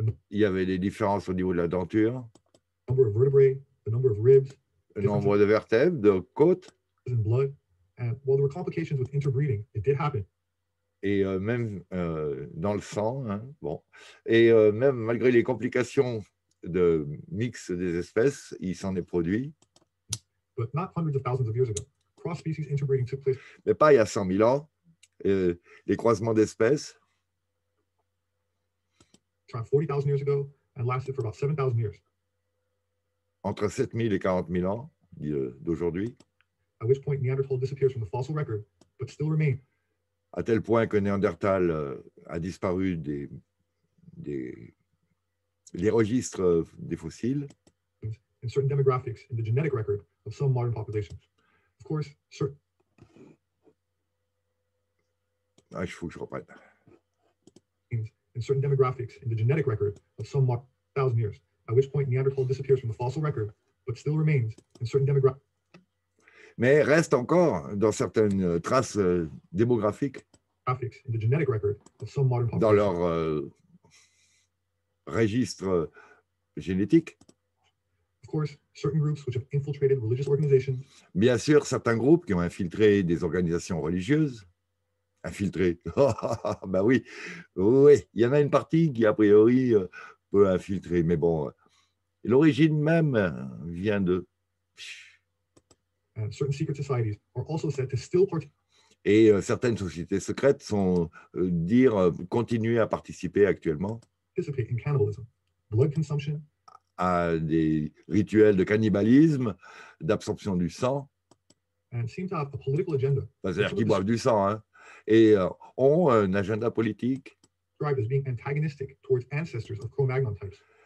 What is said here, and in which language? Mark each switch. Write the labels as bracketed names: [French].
[French] il y avait des différences au niveau de la denture. [English] Number of vertebrae, the number of ribs, [French] le nombre de vertèbres, de côtes. [English] In blood, and while there were complications with interbreeding, it did happen. [French] et même dans le sang, hein, bon, et même malgré les complications de mix des espèces, il s'en est produit. [English] But not hundreds of thousands of years ago. Cross-species interbreeding took place. [French] Mais pas il y a 100 000 ans, les croisements d'espèces. [English] 40,000 years ago and lasted for about 7,000 years. [French] Entre 7,000 et 40,000 ans d'aujourd'hui. [English] At which point Neanderthal disappears from the fossil record, but still remains. [French] À tel point que Néandertal a disparu des registres des fossiles. [English] In certain demographics, in the genetic record of some modern populations. Of course, certain. [French] Ah, il faut que je reprenne. [English] In certain demographics, in the genetic record of some 1,000 years, at which point Neanderthal disappears from the fossil record, but still remains in certain demographics. [French] Mais reste encore dans certaines traces démographiques. [English] In the genetic record of some modern populations. [French] Dans leur registre génétique. [English] Of course, certain groups which have infiltrated religious organizations. [French] Bien sûr, certains groupes qui ont infiltré des organisations religieuses. Infiltré. Ben oui, oui, il y en a une partie qui, a priori, peut infiltrer. Mais bon, l'origine même vient de... [English] Certain secret societies are also said to still part... [French] Et certaines sociétés secrètes sont, continuer à participer actuellement. [English] Participate in cannibalism, blood consumption. [French] À des rituels de cannibalisme, d'absorption du sang. [English] And seem to have a political agenda. [French] C'est-à-dire qu'ils boivent du sang, hein. Et ont un agenda politique. [English] Described as being antagonistic towards ancestors of Cro-Magnon types.